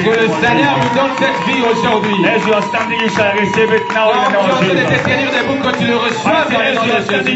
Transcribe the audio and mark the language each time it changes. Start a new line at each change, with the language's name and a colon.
French: Que le Seigneur vous donne cette vie aujourd'hui.
English: As you are standing, you shall receive it now in the name of Jesus.
French: Quand tu es tenu debout, que tu le reçois dans le nom de Jésus.